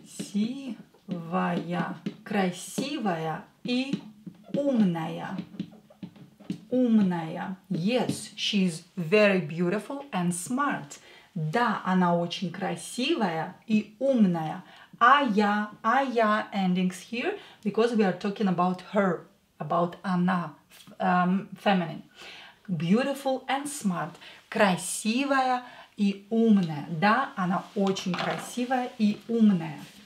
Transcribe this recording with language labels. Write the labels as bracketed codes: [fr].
[ru] Красивая, красивая и умная. Умная. [en] Yes, she's very beautiful and smart. [ru] Да, она очень красивая и умная. [en] Aya endings here because we are talking about her, about она, feminine. Beautiful and smart. [ru] Красивая и умная. Да, она очень красивая и умная.